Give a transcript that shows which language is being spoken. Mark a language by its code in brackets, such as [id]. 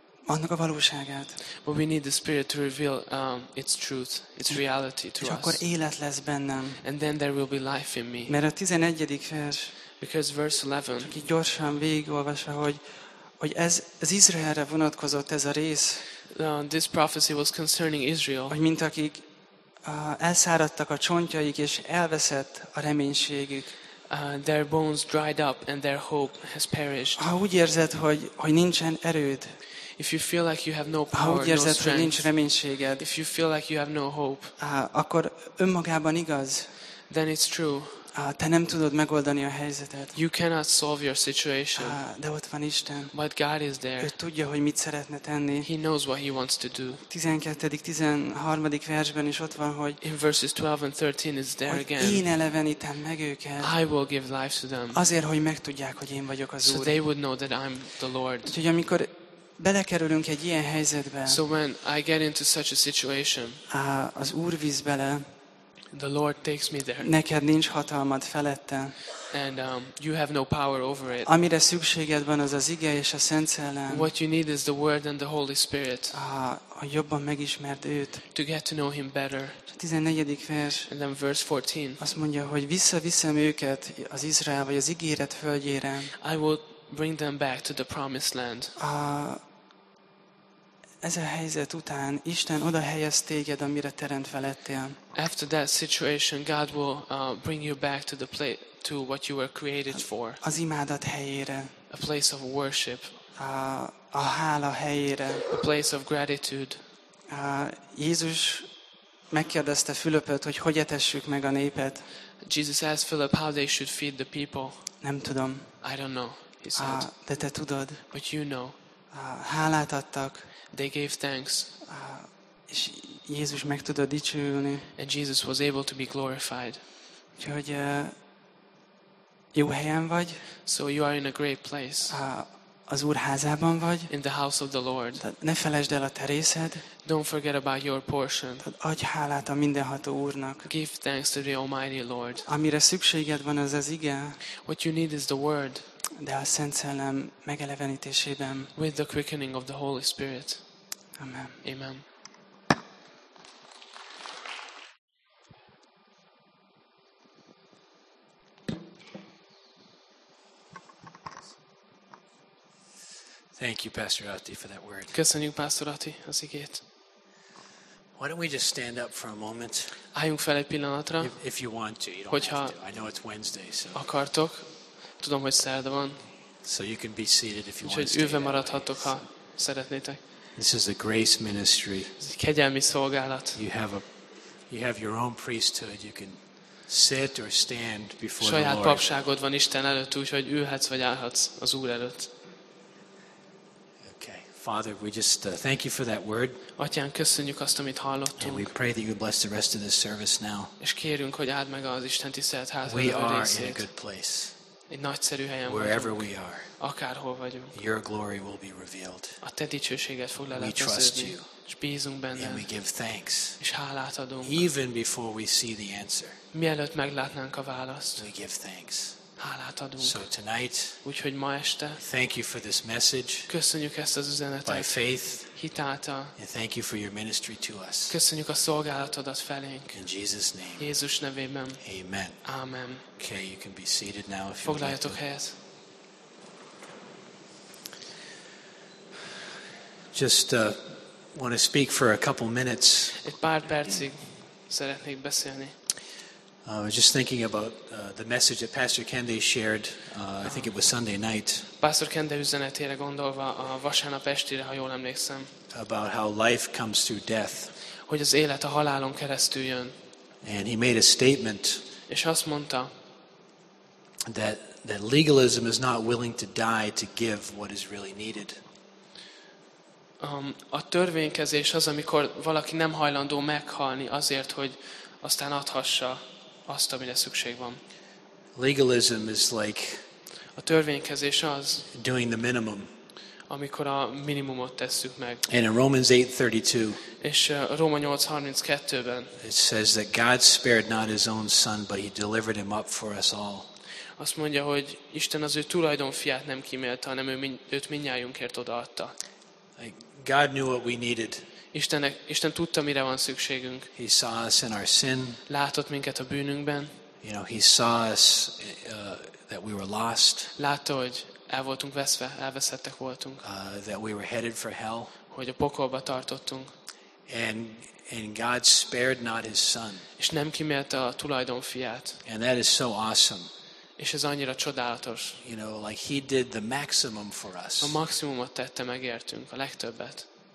[hu] annak a valóságát. [en] But we need the Spirit to reveal its truth, its reality to us. [hu] És akkor élet lesz bennem. [en] And then there will be life in me. [hu] Mert a 11. vers. [en] Because verse 11. [hu] Csak így gyorsan végigolvasva, hogy ez Izraelre vonatkozott ez a rész. [en] This prophecy was concerning Israel. [hu] Hogy mint akik elszáradtak a csontjaik és elveszett a reménységük. [en] Their bones dried up and their hope has perished. [hu] Ha úgy érzed, hogy nincsen erőd. [en] If you feel like you have no power, [hu] ha úgy érzed, [en] no strength, [hu] hogy nincs reménységed. [en] If you feel like you have no hope. [hu] Akkor önmagában igaz. [en] Then it's true. [hu] Te nem tudod megoldani a helyzetet. [en] You cannot solve your situation. [hu] De ott van Isten. [en] But God is there. [hu] Ő tudja, hogy mit szeretne tenni. [en] He knows what he wants to do. [hu] 12. 13. versben is ott van, hogy [en] in verses 12 and 13 is there again. [hu] Én elevenítem meg őket. [en] I will give life to them. [hu] Azért, hogy megtudják, hogy én vagyok az [en] so [hu] Úr. [en] So they would know that I'm the Lord. [hu] Úgyhogy amikor belekerülünk egy ilyen helyzetbe. [en] So when I get into such a situation. [hu] Az Úr víz bele. [en] The Lord takes me there. [hu] Neked nincs hatalmad felette. [en] And you have no power over it. [hu] Amire szükséged van, az az ige és a Szent Szellem. [en] What you need is the Word and the Holy Spirit. [hu] Hogy jobban megismerd őt. [en] To get to know him better. [hu] A 14. vers. [en] And then verse 14. [hu] Azt mondja, hogy visszaviszem őket az Izrael vagy az ígéret földjére. [en] I will bring them back to the promised land. [hu] Ez a helyzet után Isten oda helyez téged, amire teremtve lettél. [en] After that situation, God will bring you back to the place to what you were created for. [hu] Az imádat helyére. [en] A place of worship. [hu] A hála helyére. [en] A place of gratitude. [hu] Jézus megkérdezte Fülöpöt, hogy hogyan etessük meg a népet. [en] Jesus asked Philip how they should feed the people. [hu] Nem tudom. [en] I don't know, he said. [hu] De te tudod. [en] But you know. [hu] Hálát adtak. [en] They gave thanks. [hu] És Jézus meg tudod dicsőülni. [en] And Jesus was able to be glorified. [hu] Úgyhogy jó helyen vagy. [en] So you are in a great place. [hu] Az Úr házában vagy. [en] In the house of the Lord. [hu] Ne felejtsd el a te részed. [en] Don't forget about your portion. [hu] Adj hálát a mindenható Úrnak. [en] Give thanks to the Almighty Lord. [hu] Amire szükséged van, az az ige. [en] What you need is the Word. [hu] De a Szent Szellem megelevenítésében. [en] With the quickening of the Holy Spirit. [hu] Amen. [en] Amen. Thank you, Pastor Atti, for that word. [hu] Köszönjük, Pastor Atti, az igét. [en] Why don't we just stand up for a moment? [hu] Álljunk fel egy pillanatra. [en] If you want to, you don't have to. I know it's Wednesday, so. [hu] Akartok. Tudom, hogy szerda van. [en] So you can be seated if you want to. [hu] Úgyhogy ülve maradhatok, ha szeretnétek. [en] This is a grace ministry. [hu] Ez egy kegyelmi szolgálat. [en] You have your own priesthood. You can sit or stand before the Lord. [hu] Saját papságod van Isten előtt, úgyhogy ülhetsz vagy állhatsz az Úr előtt. [en] Father, we just thank you for that word. [hu] Atyán, köszönjük azt, amit hallottunk. [en] And we pray that you bless the rest of this service now. [hu] És kérünk, hogy áld meg az Isten tisztelt házát. [en] We are in a good place. [hu] Egy nagyszerű helyen [en] wherever [hu] vagyunk. [en] We are. [hu] Akárhol vagyunk. [en] Your glory will be revealed. [hu] A te dicsőséged fog leleplezni. [en] We trust you. [hu] És bízunk benned. [en] And we give thanks. [hu] És hálát adunk. [en] Even before we see the answer. [hu] Mielőtt meglátnánk a választ. [en] We give thanks. [hu] Hálát adunk. [en] So tonight, [hu] úgyhogy ma este, [en] thank you for this message. [hu] Köszönjük ezt az üzenetet. [en] By faith, [hu] hitáltal. [en] And thank you for your ministry to us. [hu] Köszönjük a szolgálatodat felénk. [en] In Jesus' name. [hu] Jézus nevében. [en] Amen. [hu] Amen. [en] Okay, you can be seated now if you would. [hu] Foglaljatok helyet. [en] Just want to speak for a couple minutes. [hu] Egy pár percig szeretnék beszélni. [en] I was just thinking about the message that Pastor Kende shared. I think it was Sunday night. [hu] Pastor Kende üzenetére gondolva a vasárnap estére, ha jól emlékszem. [en] About how life comes through death. [hu] Hogy az élet a halálon keresztül jön. [en] And he made a statement. [hu] És azt mondta. [en] That legalism is not willing to die to give what is really needed. [hu] A törvénykezés az, amikor valaki nem hajlandó meghalni azért, hogy aztán adhassa. Azt, amire szükség van. [en] Legalism is like [hu] a törvénykezés az [en] doing the minimum. [hu] Amikor a minimumot tesszük meg. [en] And in Romans 8:32. [hu] És Róma 8:32-ben. [en] It says that God spared not his own son, but he delivered him up for us all. [hu] Azt mondja, hogy Isten az ő tulajdon fiát nem kímélte, hanem őt mindnyájunkért odaadta. [en] God knew what we needed. [hu] Isten tudta, mire van szükségünk. [en] He saw us in our sin. [hu] Látott minket a bűnünkben. [en] You know, he saw us that we were lost. [hu] Látta, hogy el voltunk veszve, elveszettek voltunk. [en] That we were headed for hell. [hu] Hogy a pokolba tartottunk. [en] And God spared not his son. [hu] És nem kimélte a tulajdon fiát. [en] And that is so awesome. [hu] És ez annyira csodálatos. [en] You know, like he did the maximum for us. [hu] A maximumot tette megértünk, a legtöbbet.